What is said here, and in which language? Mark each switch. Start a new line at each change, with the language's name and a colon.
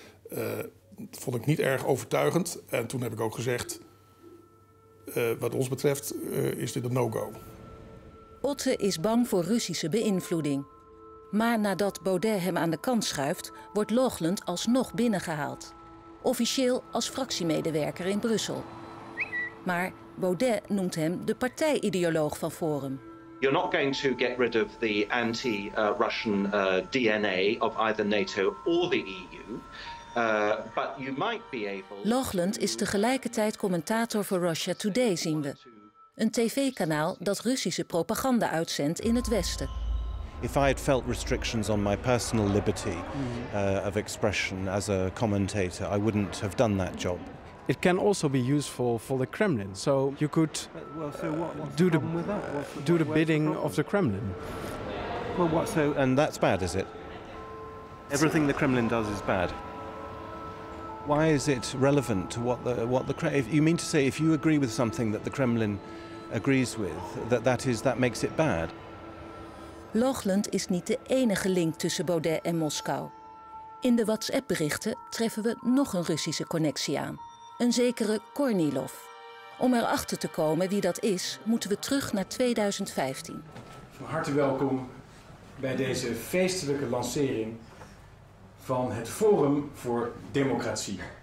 Dutch: Dat vond ik niet erg overtuigend. En toen heb ik ook gezegd, wat ons betreft, is dit een no-go. Otte is bang voor Russische beïnvloeding. Maar nadat Baudet hem aan de kant schuift, wordt Loughland alsnog binnengehaald. Officieel als fractiemedewerker in Brussel. Maar Baudet noemt hem de partijideoloog van Forum.
English: You're not going to get rid of the anti-Russian DNA of either NATO or the EU, but you might be able.
Dutch: Loughland is tegelijkertijd commentator voor Russia Today, zien we. Een tv-kanaal dat Russische propaganda uitzendt in het Westen.
English: If I had felt restrictions on my personal liberty of expression as a commentator, I wouldn't have done that job. It can also be useful for the Kremlin. So you could do the bidding of the Kremlin. Well, what so? And that's bad, is it? Everything the Kremlin does is bad. Why is it relevant to what the Kremlin? You mean to say if you agree with something that the Kremlin agrees with, that makes it bad?
Dutch: Loughland is niet de enige link tussen Baudet en Moskou. In de WhatsApp-berichten treffen we nog een Russische connectie aan. Een zekere Kornilov. Om erachter te komen wie dat is, moeten we terug naar 2015. Van harte welkom bij deze feestelijke lancering van het Forum voor Democratie.